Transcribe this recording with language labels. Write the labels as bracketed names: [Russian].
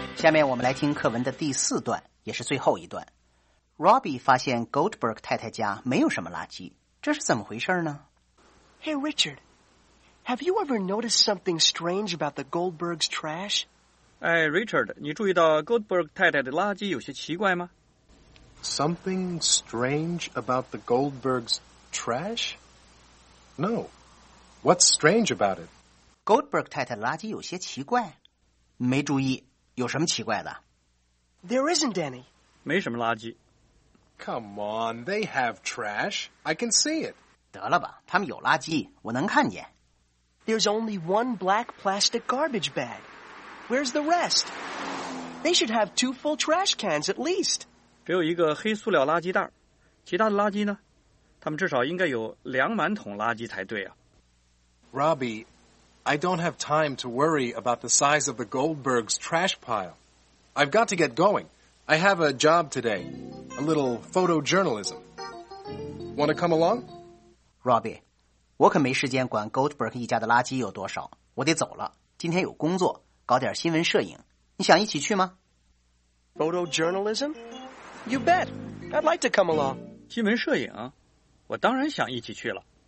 [Chinese] 下面我们来听课文的第四段，也是最后一段。Robbie 发现 Goldberg 太太家没有什么垃圾，这是怎么回事呢？ [English] Hey Richard, have you ever noticed something strange about the Goldberg's trash? [Chinese] 哎 ，Richard， 你注意到 Goldberg 太太的垃圾有些奇怪吗 [English] ？Something strange about the Goldberg's trash? No. What's strange about it? [Chinese] Goldberg 太太的垃圾有些奇怪，没注意，有什么奇怪的 [English] ？There isn't any. [Chinese] 没什么垃圾。 [English] Come on, they have trash. I can see it. [Chinese] 得了吧，他们有垃圾，我能看见。 [English] There's only one black plastic garbage bag. Where's the rest? They should have two full trash cans at least. [Chinese] 只有一个黑塑料垃圾袋，其他的垃圾呢？他们至少应该有两满桶垃圾才对啊。 [English] Robbie, I don't have time to worry about the size of the Goldberg's trash pile. I've got to get going. I have a job today, a little photojournalism. Want to come along? [Chinese] Robbie, 我可没时间管 Goldberg 一家的垃圾有多少，我得走了，今天有工作。搞点新闻摄影，你想一起去吗 [English] ？Photojournalism? You bet. I'd like to come along. [Chinese] 新闻摄影，我当然想一起去了。